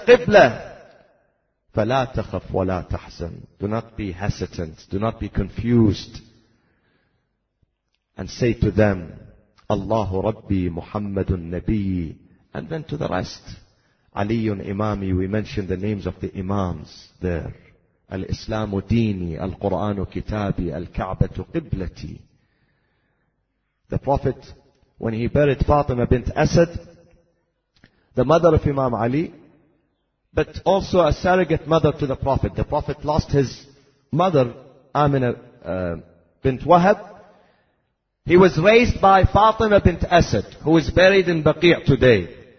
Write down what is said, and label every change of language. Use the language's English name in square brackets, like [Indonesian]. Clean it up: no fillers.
[Arabic] Qibla. فَلَا تَخَفْ وَلَا تَحْزَنْ. [English] Do not be hesitant. Do not be confused. And say to them, [Arabic] اللَّهُ رَبِّي مُحَمَّدٌ نَبِيِّ. [English] And then to the rest. [Arabic] عَلِيٌّ إِمَامِي. [English] We mention the names of the Imams there. [Arabic] الإسلام ديني القرآن كتابي الكعبة قبلتي. [English] The Prophet, when he buried Fatima bint Asad, the mother of Imam Ali, but also a surrogate mother to the Prophet. The Prophet lost his mother, Amina bint Wahab. He was raised by Fatima bint Asad, who is buried in Baqi' today.